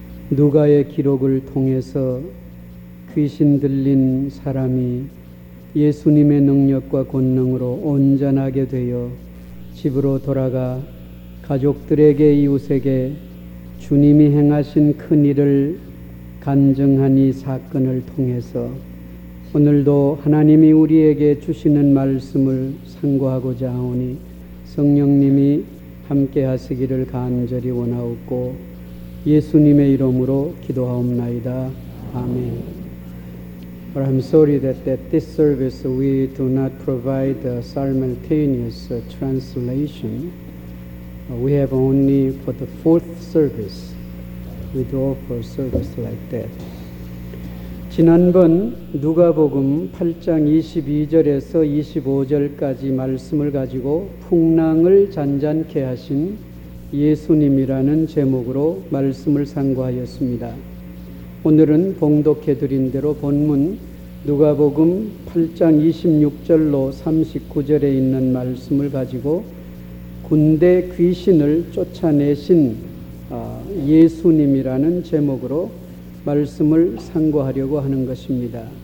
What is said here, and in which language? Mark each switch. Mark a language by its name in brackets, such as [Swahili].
[Korean] 누가의 기록을 통해서 귀신 들린 사람이 예수님의 능력과 권능으로 온전하게 되어 집으로 돌아가 가족들에게 이웃에게 주님이 행하신 큰 일을 간증한 이 사건을 통해서 오늘도 하나님이 우리에게 주시는 말씀을 상고하고자 하오니 성령님이 함께 하시기를 간절히 원하옵고 예수님의 이름으로 기도하옵나이다. 아멘. [English] But I'm sorry that this service we do not provide a simultaneous translation. We have only for the fourth service. We do offer service like that. [Korean] 지난번 누가복음 8장 22절에서 25절까지 말씀을 가지고 풍랑을 잔잔케 하신 예수님이라는 제목으로 말씀을 상고하였습니다. 오늘은 봉독해 드린 대로 본문 누가복음 8장 26절로 39절에 있는 말씀을 가지고 군대 귀신을 쫓아내신 예수님이라는 제목으로 말씀을 상고하려고 하는 것입니다.